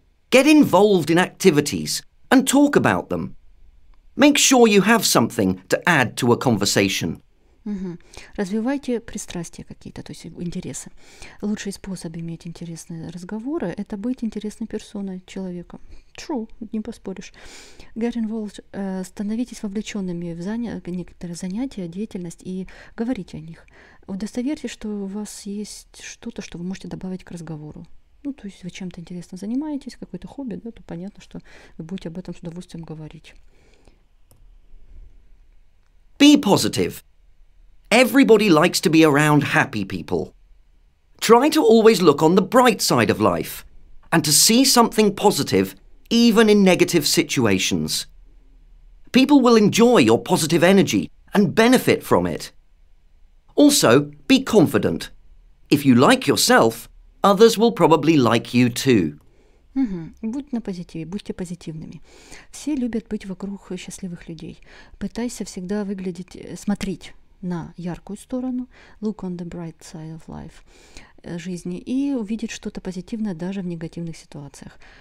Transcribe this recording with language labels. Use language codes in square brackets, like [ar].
[en] Get involved in activities and talk about them. Make sure you have something to add to a conversation. [ru] Развивайте пристрастия какие-то, то есть интересы. Лучший способ иметь интересные разговоры – это быть интересной персоной, человеком. [en] True, [ru] не поспоришь. [en] Get involved, [ru] становитесь вовлеченными в некоторые занятия, деятельность и говорите о них. Удостоверьтесь, что у вас есть что-то, что вы можете добавить к разговору. Ну, то есть вы чем-то интересно занимаетесь, какое-то хобби, да, то понятно, что вы будете об этом с удовольствием говорить. [en] Be positive. Everybody likes to be around happy people. Try to always look on the bright side of life and to see something positive even in negative situations. People will enjoy your positive energy and benefit from it. Also, be confident. If you like yourself, others will probably like you too. [ru] Будь на позитиве, будьте позитивными. Все любят быть вокруг счастливых людей. Пытайся всегда выглядеть, смотреть на яркую сторону, [en] look on the bright side of life, [ru] жизни, и увидеть что-то позитивное даже в негативных ситуациях.